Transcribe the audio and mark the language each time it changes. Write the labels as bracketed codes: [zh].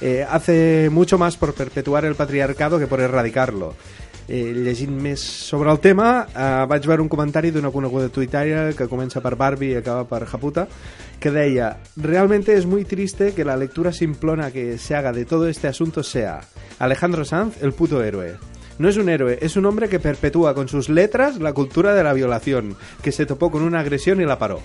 [es] Hace mucho más por perpetuar el patriarcado que por erradicarlo. [ca] Llegint més sobre el tema, vaig veure un comentari d'una coneguda tuitària que comença per Barbie i acaba per Japuta, que deia: [es] realmente es muy triste que la lectura simplona que se haga de todo este asunto sea Alejandro Sanz, el puto héroe. No es un héroe, es un hombre que perpetúa con sus letras la cultura de la violación, que se topó con una agresión y la paró.